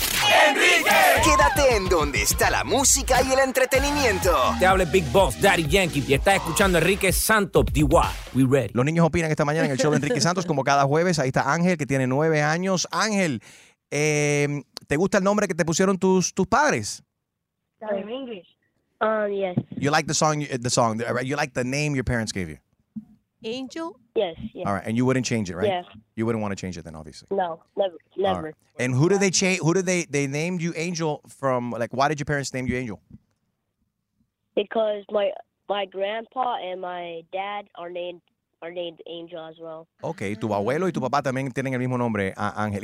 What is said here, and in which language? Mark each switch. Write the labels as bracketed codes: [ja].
[es] Quédate en donde está la música y el entretenimiento. Te habla Big Boss, Daddy Yankee, y estás escuchando a Enrique Santos, D.Y. [en] We ready. [es] Los niños opinan esta mañana en el show de Enrique Santos, como cada jueves. Ahí está Ángel, que tiene 9 años. Ángel, ¿te gusta el nombre que te pusieron tus padres? ¿En inglés? [en] Yes. You like the song, right? You like the name your parents gave you? Angel? Yes. All right, and you wouldn't change it, right? Yeah. You wouldn't want to change it then, obviously. No, never. All right. And who did they change? Who did they named you Angel from? Like, why did your parents name you Angel? Because my grandpa and my dad are named Angel as well. [es] Okay, tu abuelo y tu papá también tienen el mismo nombre, Ángel.